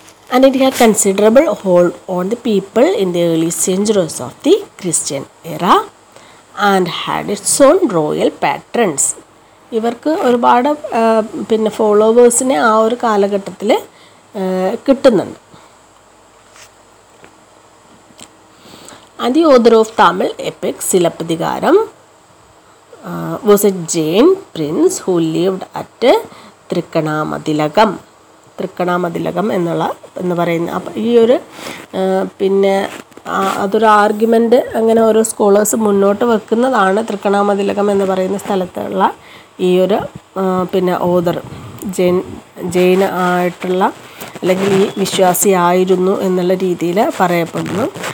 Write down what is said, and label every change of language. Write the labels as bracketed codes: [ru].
[en] And it had considerable hold on the people in the early centuries of the Christian era and had its own royal patrons. [ml] ഇവർക്ക് ഒരുപാട് പിന്നെ ഫോളോവേഴ്സിനെ ആ ഒരു കാലഘട്ടത്തിൽ കിട്ടുന്നുണ്ട്. [en] And the author of Tamil epic Silappadigaram was a Jain prince who lived at Thirkkanamathilakam. [ml] Thrikkanamathilakam എന്നുള്ള എന്ന് പറയുന്ന അപ്പം ഈ ഒരു പിന്നെ അതൊരു ആർഗ്യുമെൻ്റ് അങ്ങനെ ഓരോ സ്കോളേഴ്സ് മുന്നോട്ട് വെക്കുന്നതാണ് തൃക്കണാമതിലകം എന്ന് പറയുന്ന സ്ഥലത്തുള്ള ഈ ഒരു പിന്നെ ഓദർ ജെയിൻ ആയിട്ടുള്ള അല്ലെങ്കിൽ ഈ വിശ്വാസി ആയിരുന്നു എന്നുള്ള രീതിയിൽ പറയപ്പെടുന്നു.